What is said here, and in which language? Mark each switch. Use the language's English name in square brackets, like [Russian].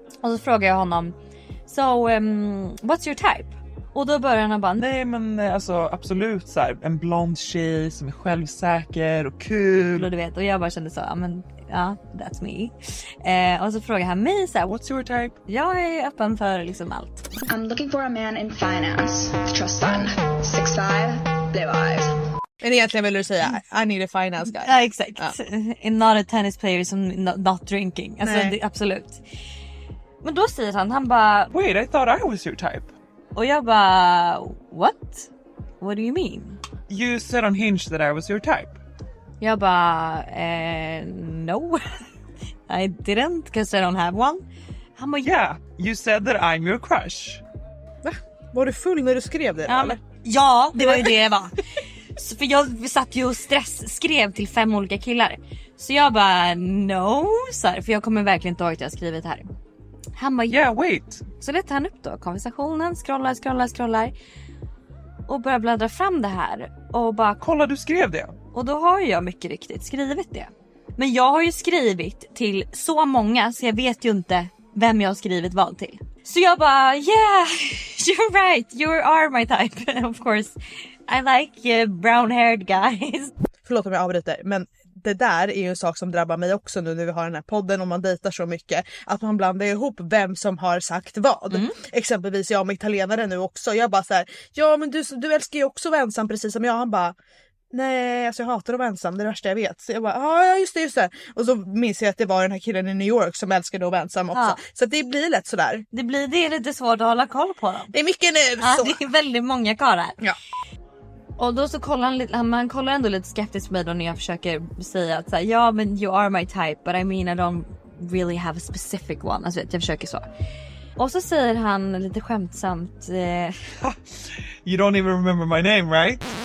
[Swedish] Och så frågar jag honom, [English] so, what's your type? [Swedish] Och då börjar han bara, nej men alltså absolut så här, en blond tjej som är självsäker och kul. Och du vet, och jag bara kände så, ja men ja, [English] that's me. [Swedish] Och så frågar han mig så här, [English] what's your type? [Swedish] Jag är öppen för liksom allt. [English] I'm looking for a man in finance, trust fund, 6'5", blue eyes. [Swedish] Men egentligen vill du säga, [English] I need a finance guy. [Swedish] Ja, exakt. Ja. [English] Not a tennis player [Swedish] som [English] not drinking. [Swedish] Alltså, det, absolut. Men då säger han bara, [English] wait, I thought I was your type. [Swedish] Och jag bara, [English] what? What do you mean? You said on Hinge that I was your type. [Swedish] Jag bara, no. [English] I didn't, because I don't have one. [Swedish] Han bara, [English] yeah, you said that I'm your crush. [Swedish] Va? Var du full när du skrev det? Ja, det var ju det jag var. Så för jag satt ju och stressskrev till 5 olika killar. Så jag bara, no, så här, för jag kommer verkligen inte ihåg att jag har skrivit här. Han bara, [English] yeah, wait. [Swedish] Så letar han upp då konversationen, scrollar. Och börjar bläddra fram det här. Och bara, kolla, du skrev det. Och då har jag mycket riktigt skrivit det. Men jag har ju skrivit till så många, så jag vet ju inte vem jag har skrivit vad till. Så jag bara, [English] yeah, you're right, you are my type, of course. I like brown haired guys. [Swedish] Förlåt om jag avbryter, men det där är ju en sak som drabbar mig också nu när vi har den här podden och man dejtar så mycket. Att man blandar ihop vem som har sagt vad. Mm. Exempelvis jag med italienare nu också. Jag bara så här, ja men du älskar ju också att vara ensam precis som jag. Han bara, nej, alltså jag hatar att vara ensam, det är det värsta jag vet. Så jag bara, ja just det. Och så minns jag att det var den här killen i New York som älskade att vara ensam också. Ja. Så det blir lätt sådär. Det är lite svårt att hålla koll på dem. Det är mycket nu. Ja, så. Det är väldigt många karlar. Ja. Och då så kollar han lite, han kollar ändå lite skeptiskt på mig då när jag försöker säga att såhär, ja men [English] you are my type, but I mean I don't really have a specific one. [Swedish] Alltså jag försöker så. Och så säger han lite skämtsamt, [English] you don't even remember my name, right?